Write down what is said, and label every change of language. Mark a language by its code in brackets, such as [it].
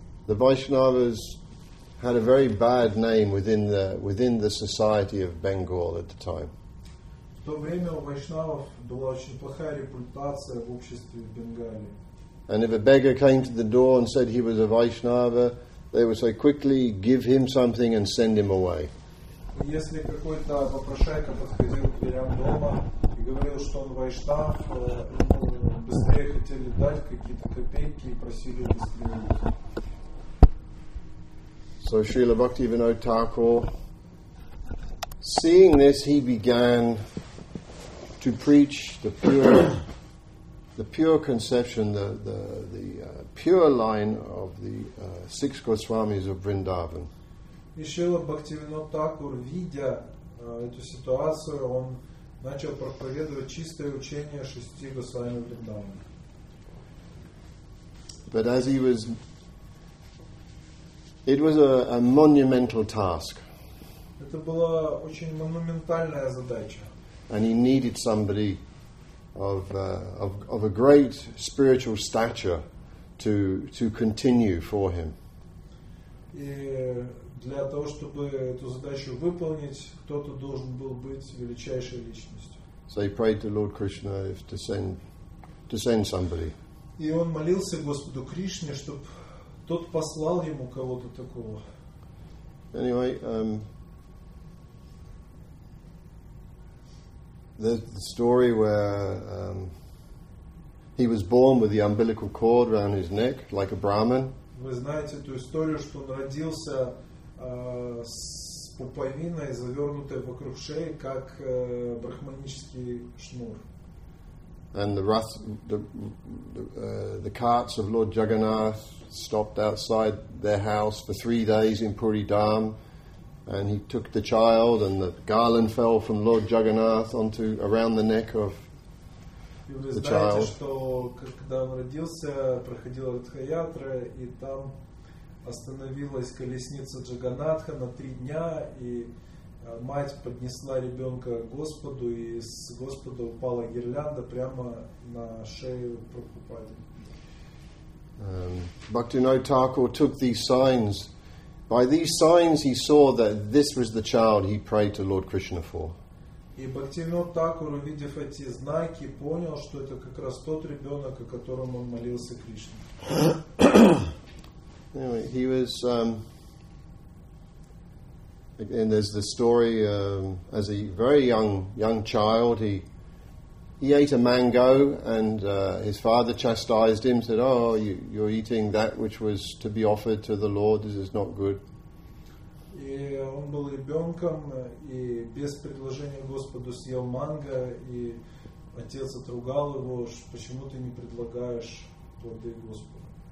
[en] The Vaishnavas had a very bad name within the society of Bengal at the time. [ru] В то время у вайшнавов была очень плохая репутация в обществе в Бенгалии. [en] And if a beggar came to the door and said he was a Vaishnava, they would say, quickly, give him something and send him away. [ru] Если какой-то попрошайка подходил к дверям дома и говорил, что он вайшнав, быстрее хотели дать какие-то копейки и просили быстрее уйти. [en] So Srila Bhaktivinoda Thakur, seeing this, he began to preach the pure conception, the pure line of the six Goswamis of Vrindavan. [ru] И Шрила Бхактивинода Такур, видя эту ситуацию, он начал проповедовать чистое учение шести Госвами Вриндавана. [en] But as he was, it was a monumental task. [ru] Это была очень монументальная задача. [en] And he needed somebody of a great spiritual stature to continue for him. [ru] И для того, чтобы эту задачу выполнить, кто-то должен был быть величайшей личностью. [en] So he prayed to Lord Krishna to send somebody. [ru] И он молился Господу Кришне, чтобы тот послал ему кого-то такого. [en] Anyway, the story where he was born with the umbilical cord around his neck, like a Brahmin. [ru] Вы знаете ту историю, что он родился с пуповиной, завернутой вокруг шеи, как брахманический шнур. [en] And the carts of Lord Jagannath stopped outside their house for 3 days in Puri Dham. And he took the child, and the garland fell from Lord Jagannath onto around the neck of the child. [ru] Вы знаете, что когда он родился, проходила Ратха-ятра, и там остановилась колесница Джаганатха на 3 дня, и мать поднесла ребенка Господу, и с Господа упала гирлянда прямо на шею Прабхупады. [en] Bhaktivinoda Thakur took these signs. By these signs, he saw that this was the child he prayed to Lord Krishna for. [ru] И Бхактивинода Такур, увидев эти знаки, понял, что это как раз тот ребенок, о котором он молился Кришне. [en] Anyway, he was. And there's the story as a very young child, he ate a mango, and his father chastised him, said, "Oh, you're eating that which was to be offered to the Lord. This is not good." [ru] И он был ребенком и без предложения Господу съел манго, и отец отругал его, почему ты не предлагаешь плоды Господу.